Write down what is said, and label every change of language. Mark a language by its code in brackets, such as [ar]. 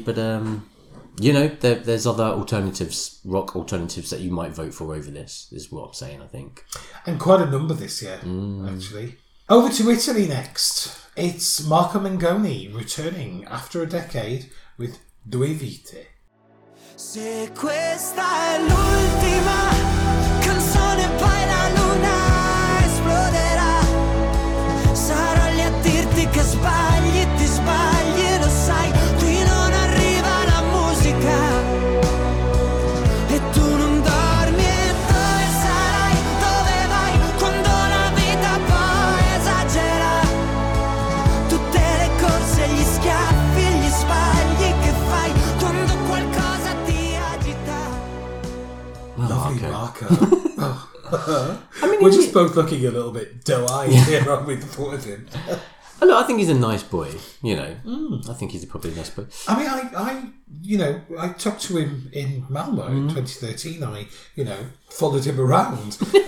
[en] But, you know, there's other alternatives, rock alternatives, that you might vote for over this, is what I'm saying, I think. And quite a number this year, actually. Over to Italy next. It's Marco Mengoni returning after a decade with Due Vite. [it] Se questa è l'ultima canzone, poi la luna esploderà. Sarò lì a dirti che sbagli, ti sbagli, lo sai. Qui non arriva la musica e tu non dormi. E dove sarai, dove vai, quando la vita poi esagera tutte le corse, gli schiaffi, gli sbagli che fai quando qualcosa ti agita. [en] Lovely Marco. I mean, we're just both looking a little bit doe-eyed here, aren't we, the thought of him. I think he's a nice boy, you know. I think he's probably a nice boy. I mean, I you know, I talked to him in Malmo in 2013. I, you know, followed him around.